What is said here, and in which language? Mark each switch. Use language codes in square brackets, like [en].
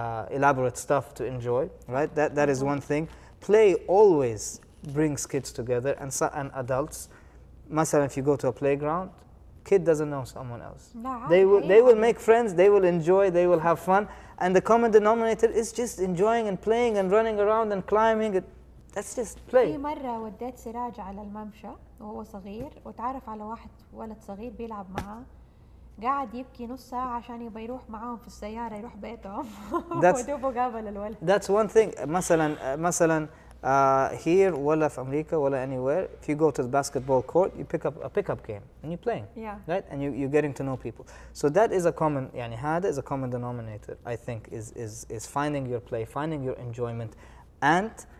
[en] elaborate stuff to enjoy right that is one thing play always brings kids together and adults مثلا if you go to a playground kid doesn't know someone else they will make friends they will enjoy they will have fun and the common denominator is just enjoying and playing and running around and climbing that's just play [ar] في مره وديت سراج على الممشى وهو صغير وتعرف على واحد ولد صغير بيلعب معاه قاعد يبكي نص ساعة عشان يبي يروح معهم في السيارة يروح بيتهم ودوبه قابل الولد [en] That's one thing مثلاً here [ar] ولا في أمريكا ولا [en] anywhere if you go to the basketball court you pick up a pickup game and you're playing yeah. right and you're getting to know people so that is a common يعني هذا is a common denominator I think is finding your play finding your enjoyment and